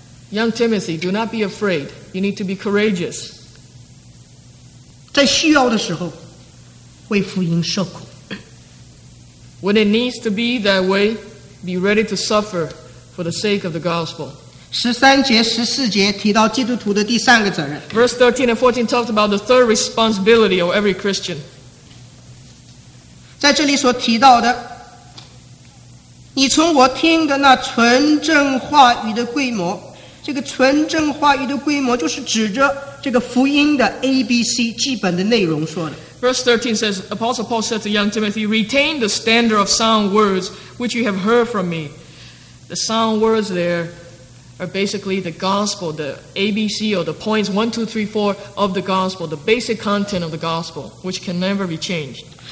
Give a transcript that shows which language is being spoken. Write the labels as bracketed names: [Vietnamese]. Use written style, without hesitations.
[English] Young Timothy, do not be afraid. You need to be courageous. [Chinese] 在需要的时候, [English] when it needs to be that way, be ready to suffer for the sake of the gospel. [Chinese] 13节、14节提到基督徒的第三个责任。 [English] Verse 13 and 14 talks about the third responsibility of every Christian. [Chinese] 在这里所提到的，你从我听的那纯正话语的规模，这个纯正话语的规模，就是指着这个福音的ABC基本的内容说的。 [English] Verse 13 says, Apostle Paul said to young Timothy, retain the standard of sound words which you have heard from me. The sound words there are basically the gospel, the ABC or the points 1, 2, 3, 4 of the gospel, the basic content of the gospel, which can never be changed.